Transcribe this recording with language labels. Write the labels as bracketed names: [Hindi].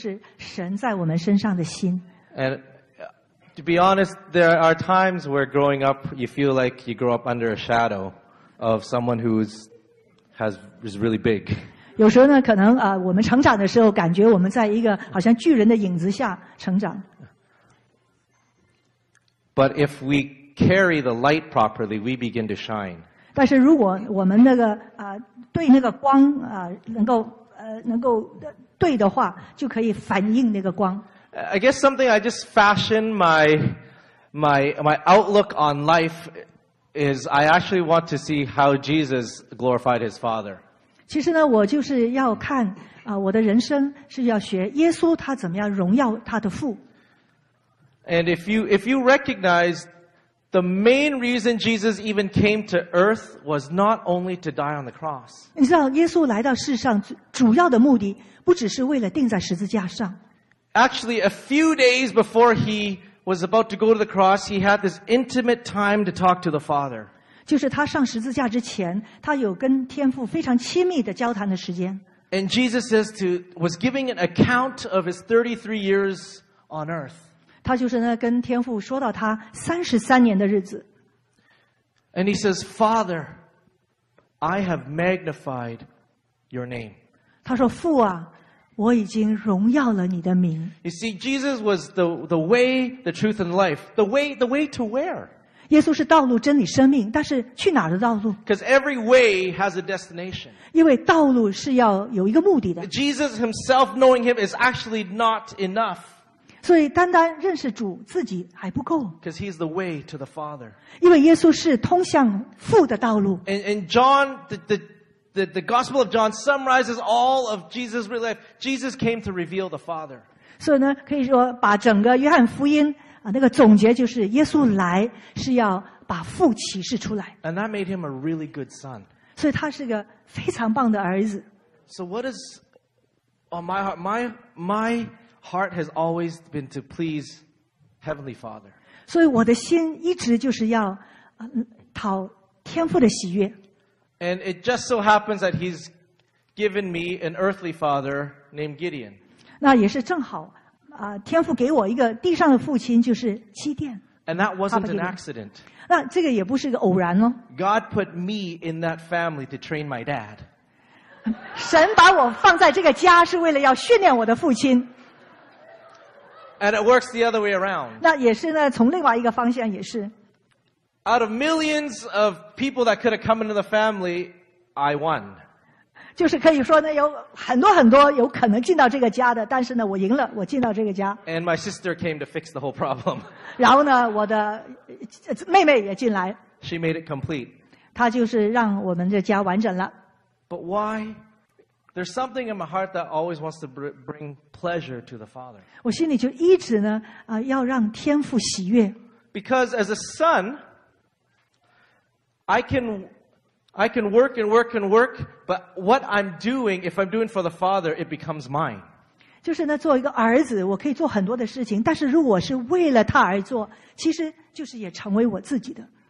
[Chinese] 所以如果我们是对的话，神看见，人看见的就是神在我们身上的心。 [English] And to be honest, there are times where growing up, you feel like you grow up under a shadow of someone who is really big. [Chinese] 有时候呢，可能我们成长的时候，感觉我们在一个好像巨人的影子下成长。 [English] But if we carry the light properly, we begin to shine. [Chinese] 但是如果我们那个对那个光能够对的话，就可以反映那个光。 [English] I guess something I just fashion my outlook on life is I actually want to see how Jesus glorified his Father. [Chinese] 其实呢，我就是要看啊，我的人生是要学耶稣他怎么样荣耀他的父。 [English] And if you recognize the main reason Jesus even came to earth was not only to die on the cross. [Chinese] 你知道耶稣来到世上主要的目的不只是为了钉在十字架上。 [English] Actually, a few days before he was about to go to the cross, he had this intimate time to talk to the Father. [Chinese] 就是他上十字架之前，他有跟天父非常亲密的交谈的时间。 [English] And Jesus was giving an account of his 33 years on earth. [Chinese] 他就是呢跟天父说到他33年的日子。 [English] And he says, Father, I have magnified your name. [Chinese] 他说父啊。我已经荣耀了你的名。 [English] You see, Jesus was the way, the truth, and life. The way to where? [Chinese] 耶稣是道路、真理、生命，但是去哪儿的道路？ [English] Because every way has a destination. [Chinese] 因为道路是要有一个目的的。 [English] Jesus himself, knowing him, is actually not enough. [Chinese] 所以单单认识主自己还不够。 [English] Because he is the way to the Father. [Chinese] 因为耶稣是通向父的道路。 [English] And John, The Gospel of John summarizes all of Jesus' real life. Jesus came to reveal the Father. [Chinese] 所以呢，可以说把整个约翰福音啊，那个总结就是耶稣来是要把父启示出来。 [English] And that made him a really good son. [Chinese] 所以他是个非常棒的儿子。 [English] So what is on my heart? My heart has always been to please Heavenly Father. [Chinese] 所以我的心一直就是要讨天父的喜悦。 [English] And it just so happens that he's given me an earthly father named Gideon. [Chinese] 那也是正好啊，天父给我一个地上的父亲，就是基甸。 [English] And that wasn't an accident. [Chinese] 那这个也不是个偶然哦。 [English] God put me in that family to train my dad. [Chinese] 神把我放在这个家是为了要训练我的父亲。 [English] And it works the other way around. [Chinese] 那也是呢，从另外一个方向也是。 [English] Out of millions of people that could have come into the family, I won. [Chinese] 就是可以说呢，有很多很多有可能进到这个家的，但是呢，我赢了，我进到这个家。 [English] And my sister came to fix the whole problem. [Chinese] 然后呢，我的妹妹也进来。 [English] She made it complete. [Chinese] 她就是让我们的家完整了。 [English] But why? There's something in my heart that always wants to bring pleasure to the Father. [Chinese] 我心里就一直呢，要让天父喜悦。 [English] Because as a son,I can work and work and work, but what I'm doing, if I'm doing for the Father, it becomes mine. [Chinese] 就是呢，做一个儿子，我可以做很多的事情，但是如果是为了他而做，其实就是也成为我自己的。